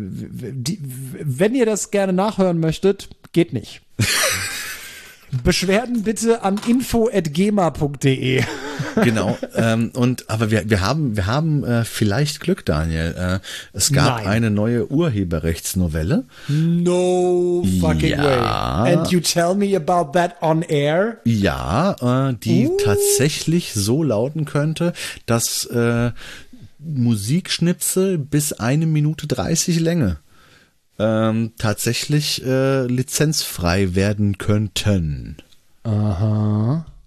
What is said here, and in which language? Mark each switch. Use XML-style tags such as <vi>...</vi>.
<de>Wenn ihr das gerne nachhören möchtet, geht nicht. Beschwerden bitte an info@gema.de. Genau. Aber wir haben vielleicht Glück, Daniel. Es gab eine neue Urheberrechtsnovelle.</de> <en>No fucking way. And you tell me about that on air?</en> <de>Ja, die tatsächlich so lauten könnte, dass Musikschnipsel bis 1:30 Länge tatsächlich lizenzfrei werden könnten. Aha.</de>